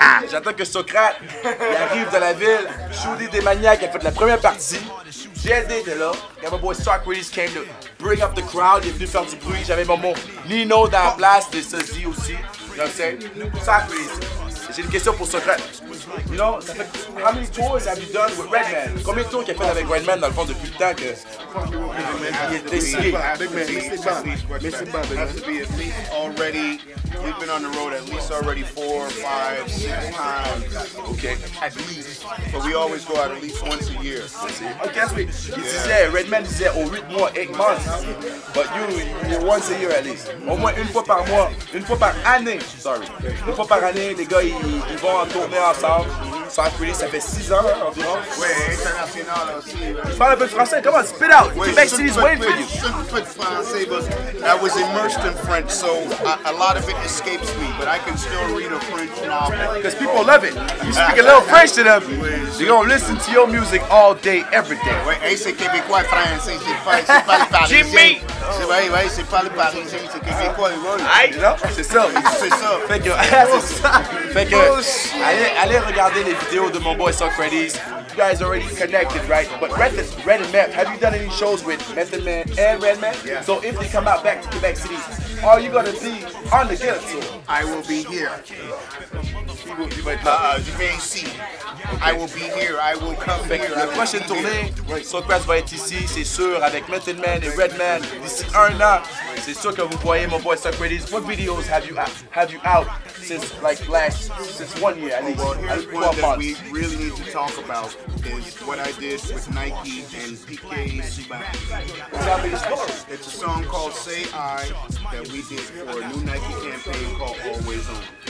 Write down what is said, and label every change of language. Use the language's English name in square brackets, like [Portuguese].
[French] J'attends que Socrate arrive dans la ville. Shooty des maniaques a fait la première partie. JLD était là. [English] Yeah, my boy Socrates came to bring up the crowd. [French] Il est venu faire du bruit. J'avais maman Nino dans la place de Sazie aussi. [English] You know what I'm saying? Socrates. [French] J'ai une question pour Socrate. [English] You know, [French] ça fait, [English] how many tours have you done with Redman? [French] Combien de tours qu'il a fait avec Redman dans le fond depuis le temps que il est décidé? Mais c'est bon, [English] already, we've been on the road at least already 4, 5, 6 times. Okay. At least. But we always go out at least once a year. [French] Okay, sweet. Il disait, Redman disait au 8 mois, [English] 8 months. But you're once a year at least. [French] Au moins une fois par mois, une fois par année. [English] Sorry. [French] Une fois par année, les gars, ils vont en tourner ensemble. Socrates, ça fait 6 ans environ. Oui, international aussi. Parle un peu de français, [English] come on, spit out. Wait, Quebec City is waiting for you. [French] Super français, [English] but I was immersed in French, so a lot of it escapes me, but I can still read a French novel. Because people love it. You speak a little French to them, they're going to listen to your music all day, every day. [French] Oui, hey, c'est Québécois, français, c'est pas le Parisien. Jimmy! Oui, c'est pas le Parisien, c'est Québécois, ouais. Non, c'est ça. C'est ça. Fait que, allez regarder les vidéos de mon boy Socrates. [English] You guys already connected, right? But Red and Meth, have you done any shows with Method Man and Red Man? Yeah. So if they come out back to Quebec City, are you gonna be on the guest tour? I will be here. You may see. I will be here. I will come [French] fait [English] here. [French] Le prochain tournée, Socrates va être ici, c'est sûr, avec Method Man et Red Man. D'ici un an, c'est sûr que vous voyez mon boy Socrates. [English] What videos have you out since like last, since 1 year at least? Oh, well, here's one that we really need to talk about is what I did with Nike and PK Subban. It's a song called Say I that we did for a new Nike campaign called Always On.